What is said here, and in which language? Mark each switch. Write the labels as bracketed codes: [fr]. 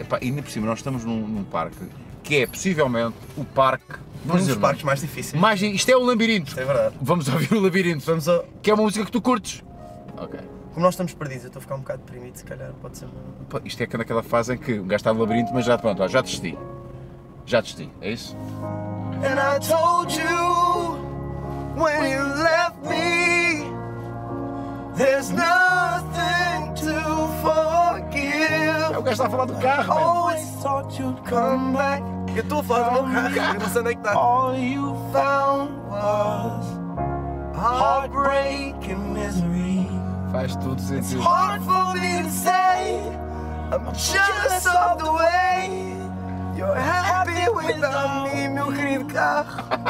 [pt] É pá, ainda por cima, nós estamos num parque que é possivelmente o parque. Vamos um dos parques mais difíceis. Mais, isto é um labirinto. Isto é verdade. Vamos ouvir o labirinto. Vamos a... Que é uma música que tu curtes. Ok. Como nós estamos perdidos, eu estou a ficar um bocado deprimido, se calhar pode ser. Pá, isto é naquela fase em que o gajo está no labirinto, mas já pronto, ó, já desisti. Já desisti, é isso? [en] And I told you when you left me, there's nothing to forgive. [pt] É, o gajo está a falar do carro. [en] I always thought you'd come back. [pt] Eu estou a falar do meu carro, não sei onde é que está. [en] All you found was heartbreak and misery. [pt] Faz tudo sentido. [en] It's hard for me to say, I'm jealous of the way you're happy without me, [pt] meu querido carro.